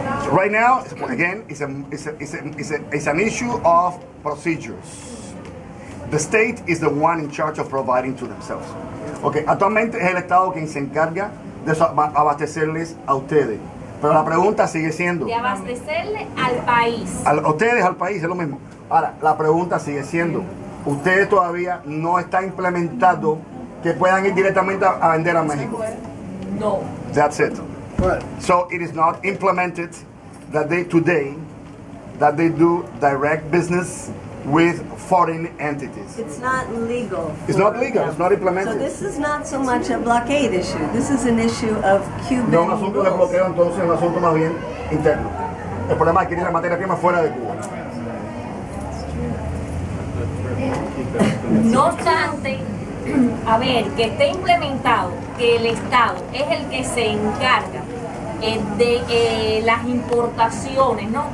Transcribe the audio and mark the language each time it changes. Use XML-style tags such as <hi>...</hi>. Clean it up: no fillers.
<en>Right now, again, it's an issue of procedures. The state is the one in charge of providing to themselves.</en> <es>Okay, actualmente es el Estado quien se encarga de abastecerles a ustedes. Pero la pregunta sigue siendo de abastecerle al país. A ustedes al país, es lo mismo. Ahora, la pregunta sigue siendo, ustedes todavía no están implementando que puedan ir directamente a vender a México. No.</es> <en>That's it. So it is not implemented that they do direct business with foreign entities. It's not legal. It's not legal. Them. It's not implemented. So this is not so much a blockade issue. This is an issue of Cuban.</en> <es>No, un asunto</es> <en>rules.</en> <es>De bloqueo, entonces es un asunto más bien interno. El problema es que tiene la materia prima fuera de Cuba. No obstante, a ver, que esté implementado, que el Estado es el que se encarga de las importaciones, ¿no?</es>